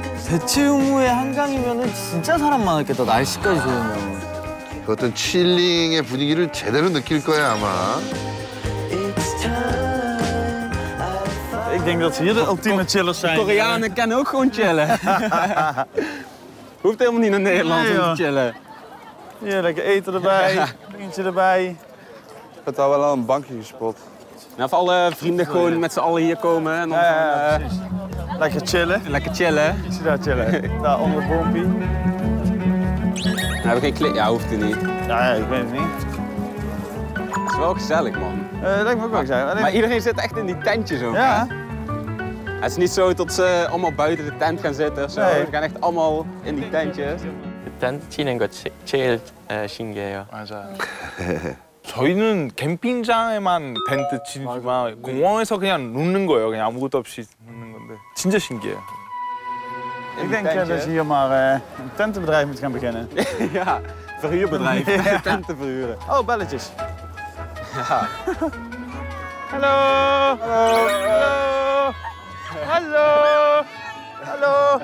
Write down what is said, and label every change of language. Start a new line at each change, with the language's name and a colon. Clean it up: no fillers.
Korean: 대체 후에 한강이면은 진짜 사람 많았겠다. 날씨까지 좋으면. 그 어떤 칠링의 분위기를 제대로 느낄 거야 아마.
Dutch: Ik denk dat ze hier de ultieme chillers zijn. Koreanen kennen ook gewoon chillen. Hoeft helemaal niet naar Nederland om te chillen. Ja, lekker eten erbij, drinkje erbij. Ik heb daar wel een bankje gespot. Nou, voor alle vrienden gewoon met z'n allen hier komen. En dan ja, precies. Lekker chillen. Lekker chillen. Ik zie daar chillen. Daar onder boompie. Nou, heb ik geen klik? Ja, hoeft het niet. Ja, ja, ik weet het niet. Het is wel gezellig, man. Dat moet ik wel zeggen. Maar iedereen zit echt in die tentjes ook. Ja. Het is niet zo dat ze allemaal buiten de tent gaan zitten. Zo. Nee. Ze gaan echt allemaal in die tentjes. De tent zien en wat heel singeer.
English: We camping
Korean: 장에만 텐트 치지만 공원에서 그냥 눕는 거예요. 그냥 아무것도 없이 눕는 건데 진짜 신기해요.
Dutch: Ik denk dat je hier maar een tentenbedrijf moet gaan beginnen. Ja, verhuurbedrijf. Tenten verhuren. Oh, belletjes. Hallo. Hallo. Hallo! Hallo!